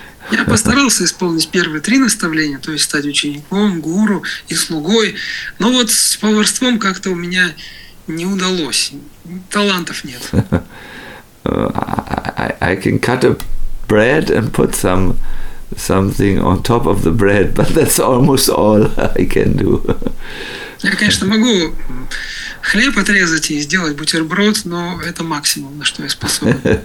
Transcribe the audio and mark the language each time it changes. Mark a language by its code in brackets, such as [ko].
[ru] Я постарался исполнить первые три наставления, то есть стать учеником, гуру и слугой. Но вот с поварством как-то у меня не удалось. Талантов нет. [en] I can cut a bread and put something on top of the bread, but that's almost all I can do. [ru] Я, конечно, могу хлеб отрезать и сделать бутерброд, но это максимум, на что я способен.